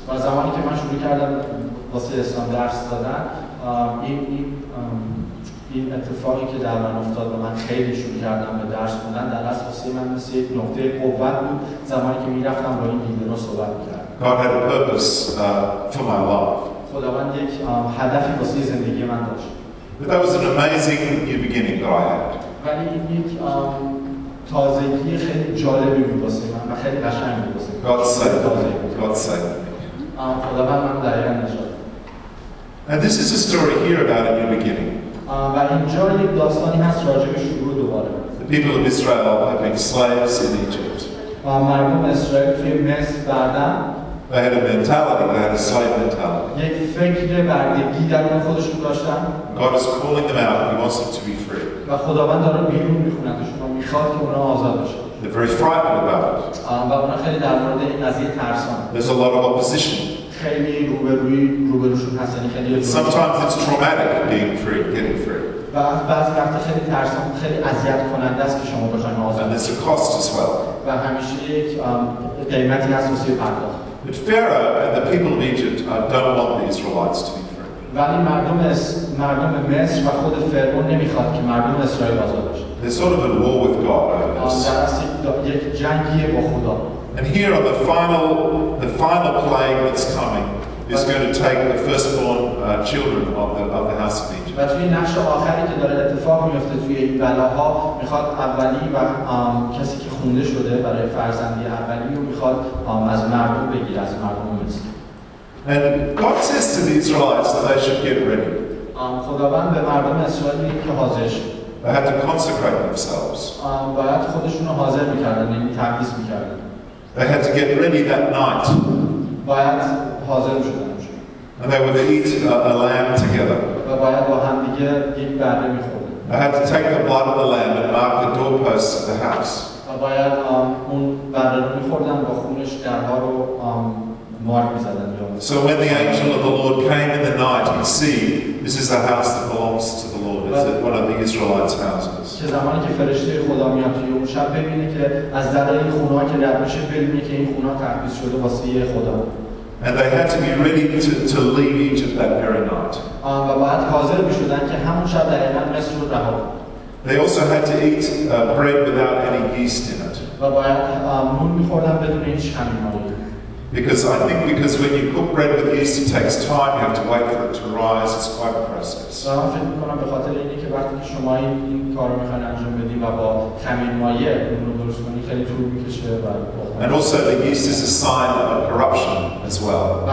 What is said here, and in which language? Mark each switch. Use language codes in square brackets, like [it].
[en] But the time that I started teaching Islam, this event that happened to me, I started teaching Islam, and that was a point of strength. The time that I went to this event, God had a purpose for my life. God had a purpose for my life. But that was an amazing new beginning that I had. [fa] ولی این یک تازگی خیلی جالبی بود واسه من و خیلی قشنگ بود واسه من. [en] God saved me. God saved me. [fa] خدا من منو دقیقا نجات داد. [en] And this is a story here about a new beginning. [fa] و اینجا یک داستانی هست راجع به شروع دوباره. [en] The people of Israel had been slaves in Egypt. [fa] مردم اسرائیل توی مصر بودن. [en] They had a mentality, they had a slave mentality. [fa] یک فکر بردگی در اون خودشون داشتن. [en] God is calling them out, He wants them to be free. [fa] و خداوند داره بیرون میخونتشون و میخواد که اونا آزاد بشن. [en] They're very frightened about it. [fa] و اونا خیلی در مورد این قضیه ترسان. [en] There's a lot of opposition. [fa] خیلی روبروشون هست. خیلی [en] Sometimes it's traumatic being free, getting free. [fa] و بعضی وقتا خیلی ترسان، خیلی اذیت کننده است که شما بخواید آزاد بشید. [en] And there's a cost as well. [fa] و همیشه یک قیمتی هست واسه پرداخت. [en] But Pharaoh and the people of Egypt don't want the Israelites to be free. [fa] ولی مردم مصر و خود فرعون نمیخواد که مردم اسرائیل آزاد بشه. [en] There's sort of a war with God over this. [fa] یک جنگی با خدا. [en] And here on the final plague that's coming is going to take the firstborn children of the house of Egypt. [fa] و توی نقش آخری که داره اتفاق میفته توی این بلاها میخواد اولی و کسی که خونده شده برای فرزندی اولی رو میخواد از مردم بگیر از مردم مصر. [en] And God says to the Israelites that they should get ready. [fa] خداوند به مردم اسرائیل میگه که حاضر شو. [en] They had to consecrate themselves. [fa] باید خودشون رو حاضر میکردن یعنی تقدیس میکردن. [en] They had to get ready that night. [fa] باید حاضر شدن. [en] And they were to eat a lamb together. [fa] و باید با هم دیگه یک بره میخوردن. [en] They had to take the blood of the lamb and mark the doorposts of the house. [fa] و باید اون بردارو میخوردن با خونش درها رو مار میزدن. [en] So when the angel of the Lord came in the night, you see, this is the house that belongs to the Lord. It's one of the Israelites' houses. [fa] که زمانی که فرشته خدا میاد توی اون شب ببینه که از در این خونه که رد میشه ببینه که این خونه تقدیس شده واسه خدا. [en] And they had to be ready to leave Egypt that very night. [fa] و باید حاضر میشدن که همون شب دقیقا مصر رو رها. [en] They also had to eat bread without any yeast in it. [fa] و باید نون میخوردن بدون هیچ خمیری. [en] Because I think because when you cook bread with yeast, it takes time, you have to wait for it to rise, it's quite a process. I think because when you cook bread with yeast, it takes time, you have to wait for it to rise, it's quite a process. And also the yeast is a sign of corruption as well.